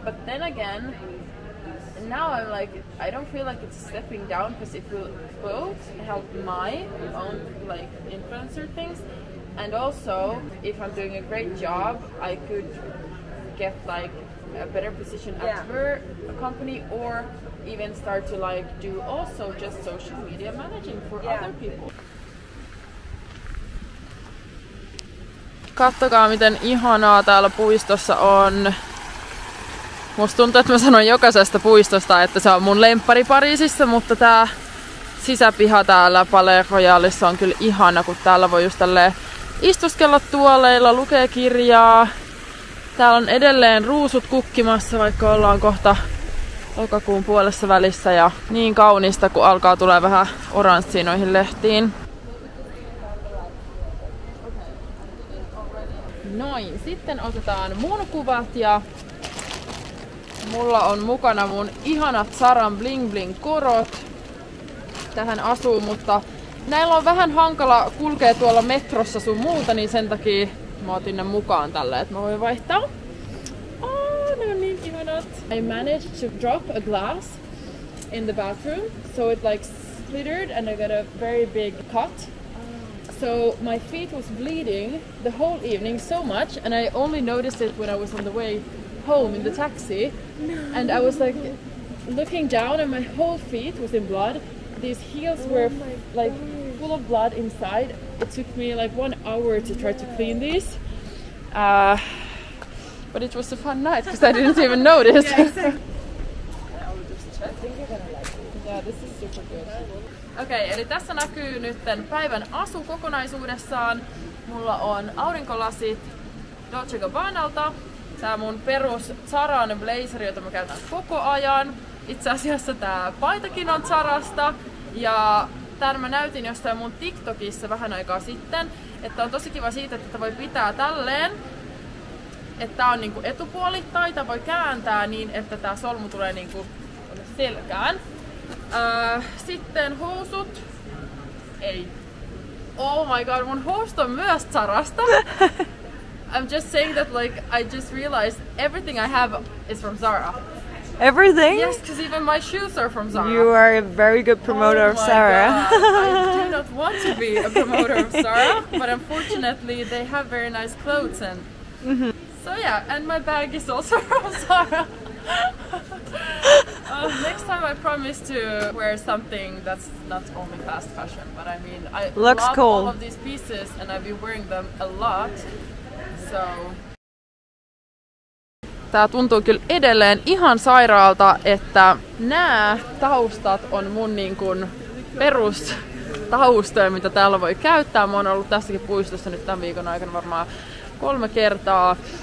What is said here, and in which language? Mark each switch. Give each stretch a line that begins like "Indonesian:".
English: But then again, now I'm like, I don't feel like it's stepping down because it will both help my own like influencer things, and also if I'm doing a great job, I could get like a better position at her company or even start to like do also just social media managing for other people.
Finnish: Kattokaa, miten ihanaa täällä puistossa on. Musta tuntuu, että mä sanon jokaisesta puistosta, että se on mun lemppari Pariisissa, mutta tää sisäpiha täällä Palais Royalissa on kyllä ihana, kun täällä voi just tälleen istuskella tuoleilla, lukee kirjaa. Täällä on edelleen ruusut kukkimassa, vaikka ollaan kohta lokakuun puolessa välissä ja niin kaunista, kun alkaa tulee vähän oranssiin noihin lehtiin. Noin, sitten otetaan mun kuvat ja mulla on mukana mun ihanat Saran Bling Bling -korot tähän asuun, mutta näillä on vähän hankala kulkea tuolla metrossa sun muuta, niin sen takia mä otin ne mukaan tälle, että mä voin vaihtaa. Aa, ne on niin
English: I managed to drop a glass in the bathroom, so it like splintered and I got a very big cut. So my feet was bleeding the whole evening so much, and I only noticed it when I was on the way home in the taxi. And I was like looking down and my whole feet was in blood. These heels were like full of blood inside. It took me like 1 hour to try to clean these. But it was a fun night because I didn't even notice. Yeah, exactly. I will just check. I think you're gonna like it. Yeah, this is super good.
Finnish: Okei, eli tässä näkyy nytten päivän asu kokonaisuudessaan. Mulla on aurinkolasit Dolce & Gabbanalta. Tää mun perus Zaran blazer, jota mä käytän koko ajan. Itse asiassa tää paitakin on Zarasta. Ja tän mä näytin jostain mun TikTokissa vähän aikaa sitten. Että on tosi kiva siitä, että voi pitää tälleen. Että tää on niinku etupuoli, tai tää voi kääntää niin, että tää solmu tulee niinku selkään. Sitten housut. Ei.
English: Oh my god,
Finnish: mun housut on myös Zarasta.
English: I'm just saying that like I just realized everything I have is from Zara. Everything? Yes, because even my shoes are from Zara. You are a very good promoter of Zara. Oh my god. I do not want to be a promoter of Zara, but unfortunately they have very nice clothes and so yeah, and my bag is also from Zara. next time I promise to wear something that's not only fast fashion, but I mean I looks love cool. All of these pieces and I've been wearing them a lot.
Finnish: So tää tuntuu kyllä edelleen ihan sairaalta, että nää taustat on mun niin kun perus taustoja, mitä täällä voi käyttää. Mä oon ollut tässäkin puistossa nyt tämän viikon aikana varmaan 3 kertaa.